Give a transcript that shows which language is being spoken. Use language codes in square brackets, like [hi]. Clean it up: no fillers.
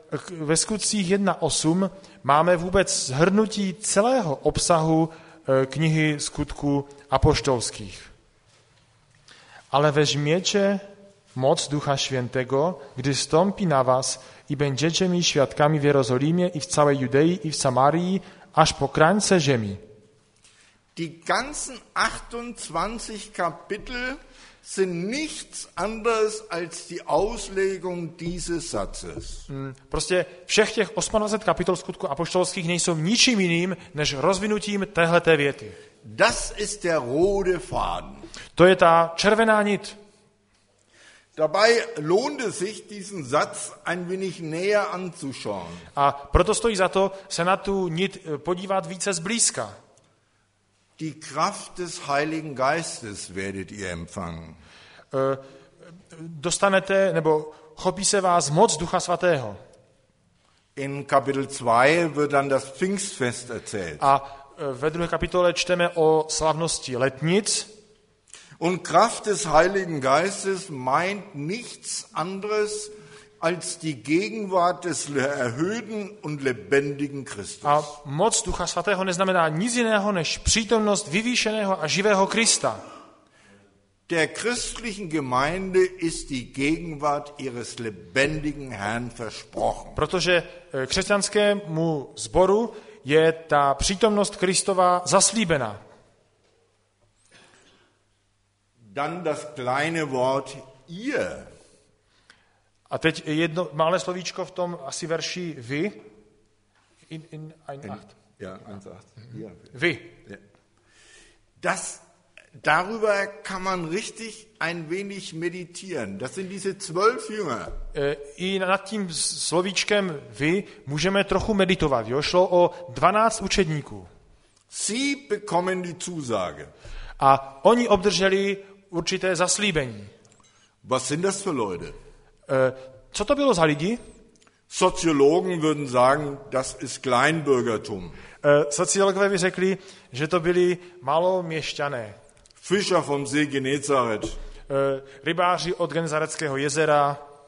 [cs] Ve Skutcích 1:8 máme vůbec shrnutí celého obsahu knihy Skutků apoštolských. Ale vezměte moc Ducha [pl] Świętego, gdy stąpi [cs] na vás, i [pl] będziecie mi świadkami [cs] v Jeruzalémě i v celé Judei i v Samarii až po krajce zemi. [de] Die ganzen 28 Kapitel sind nichts anderes als die Auslegung dieses Satzes. [cs] Prostě všech těch 28 kapitol Skutků apoštolských nejsou ničím jiným než rozvinutím téhleté věty. [de] Das ist der rote Faden. [cs] To je ta červená nit. [de] Dabei lohnt es sich, diesen Satz ein wenig näher anzuschauen. [cs] A proto stojí za to se na tu nit podívat více zblízka. [de] Die Kraft des Heiligen Geistes werdet ihr empfangen. [cs] Dostanete nebo chopí se vás moc Ducha Svatého. [de] In Kapitel 2 wird dann das Pfingstfest erzählt. [cs] A ve druhé kapitole čteme o slavnosti letnic. [de] Und Kraft des Heiligen Geistes meint nichts anderes als die Gegenwart des erhöhten und lebendigen Christus. [cs] A moc Ducha Svatého neznamená nic jiného než přítomnost vyvýšeného a živého Krista. [de] Der christlichen Gemeinde ist die Gegenwart ihres lebendigen Herrn versprochen. [cs] Protože křesťanskému sboru je ta přítomnost Kristova zaslíbená. [de] Dann das kleine Wort ihr. [cs] A teď jedno malé slovíčko v tom asi verši vy. [de] In ein acht. Ja, eins acht. [cs] Vy. [de] Das, darüber kann man richtig ein wenig meditieren. Das sind diese 12 Jünger. [cs] I nad tím slovíčkem vy můžeme trochu meditovat. Jo? Šlo o 12 učedníků. [de] Sie bekommen die Zusage. [cs] A oni obdrželi určité zaslíbení. [de] Was sind das für Leute? [cs] Co to bylo za lidi? [de] Soziologen würden sagen, das ist Kleinbürgertum. [cs] Soziologové by řekli, že to byli maloměšťané. [de] Fischer vom See Genezareth. [cs] Rybáři od Genezareckého jezera.